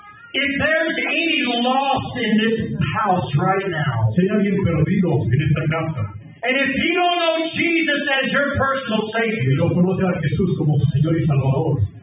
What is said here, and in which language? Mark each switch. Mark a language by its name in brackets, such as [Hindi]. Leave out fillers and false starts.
[English] If there's any lost in this house right now, [Spanish] si hay alguien perdido en esta casa, [English] and if you don't know Jesus as your personal Savior, [Spanish] y no conoce a Jesús como su Señor y Salvador,